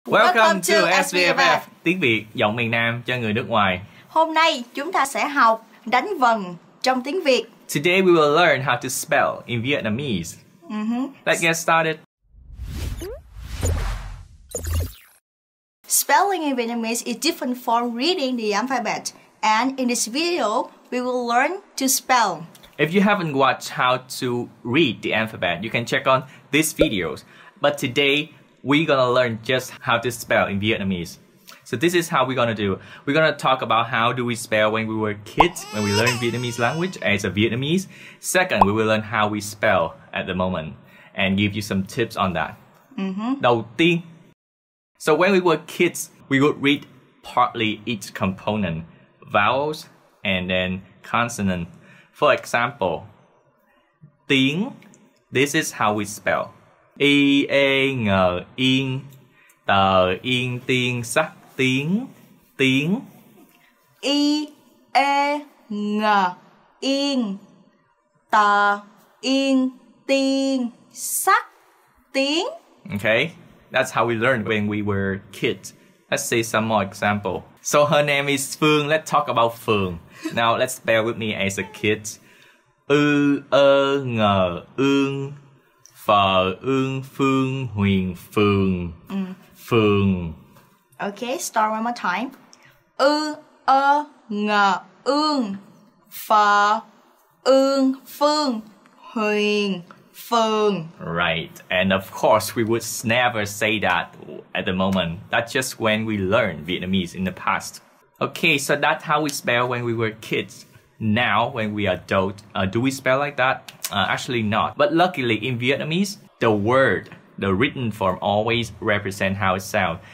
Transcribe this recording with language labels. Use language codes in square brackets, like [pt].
[en] Welcome to [vi] Svff, tiếng Việt giọng miền Nam cho người nước ngoài. Hôm nay chúng ta sẽ học đánh vần trong tiếng Việt. [en] Today we will learn how to spell in Vietnamese. Let's get started. Spelling in Vietnamese is different from reading the alphabet. And in this video, we will learn to spell. If you haven't watched how to read the alphabet, you can check on these videos. But today, we're gonna learn just how to spell in Vietnamese. So this is how we're gonna do. We're gonna talk about how do we spell when we were kids, when we learned Vietnamese language as a Vietnamese. Second, we will learn how we spell at the moment and give you some tips on that. [vi] Đầu tiên. [en] So when we were kids, we would read partly each component, vowels and then consonant. For example, tiếng, this is how we spell. [vi] Y, A, N, Yên, tờ, yên, tiên, sắc, tiếng, tiếng. Y, A, N, Yên, tờ, yên, tiên, sắc, tiếng. [en] Okay, that's how we learned when we were kids. Let's see some more example. So her name is Phương. Let's talk about Phương. Now let's spell with me as a kid. [vi] Ư, ơ, ngờ, ương. Phờ, ương, phương, huyền, phường. Phường. [en] Okay, start one more time. [vi] Ư, ơ, ngờ, ương. Phờ, ương, phương, huyền, phường. [en] Right, and of course we would never say that at the moment. That's just when we learned Vietnamese in the past. Okay, so that's how we spell when we were kids. Now, when we are adult, do we spell like that? Actually not. But luckily, in Vietnamese, the word, the written form always represent how it sounds.